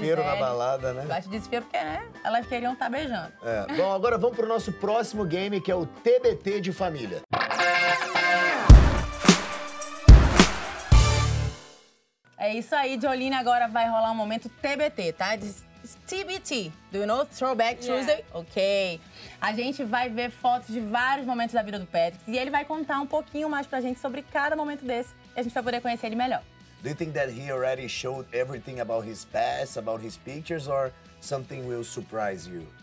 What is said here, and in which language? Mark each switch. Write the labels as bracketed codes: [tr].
[pt] Bate desespero na balada, né? Bate desespero porque, né, elas queriam estar beijando. É. Bom, agora vamos pro nosso próximo game, que é o TBT de família. É isso aí, Jolene. Agora vai rolar um momento TBT, tá? [en] TBT, do you know Throwback Tuesday? Yeah. Ok. [pt] A gente vai ver fotos de vários momentos da vida do Patrick e ele vai contar um pouquinho mais pra gente sobre cada momento desse e a gente vai poder conhecer ele melhor. [en] Do you think that he already showed everything about his past, about his pictures, or something will surprise you?